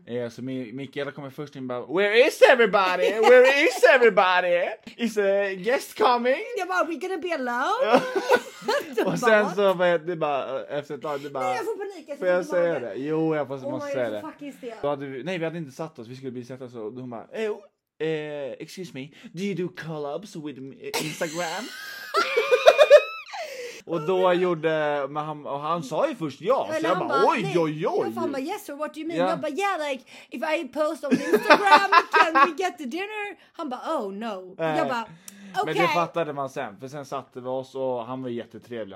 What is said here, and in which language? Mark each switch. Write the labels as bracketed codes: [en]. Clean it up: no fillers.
[sv] Så Mikael kommer först in bara, [en] where is everybody? Where is everybody? Is a guest coming? [sv] Jag bara, [en] we gonna be alone? [sv] Och sen så vet du bara, efter ett tag, du bara, nej, jag får panik. Får jag säga det? Jo, jag måste säga så det. Då hade vi, nej, vi hade inte satt oss, vi skulle bli sätta oss. Och hon bara, [en] excuse me, do you do collabs with Instagram? [sv] Och då gjorde men han sa ju först ja, så jag bara oj oj oj. Jag fan bara [en] yes sir, what do you mean? Yeah. [sv] Jag bara [en] yeah, like if I post on Instagram can we get the dinner? [sv] Han bara [en] oh no. [sv] Nej. Jag bara [en] okay. [sv] Men det fattade man sen, för sen satte vi oss och han var jättetrevlig.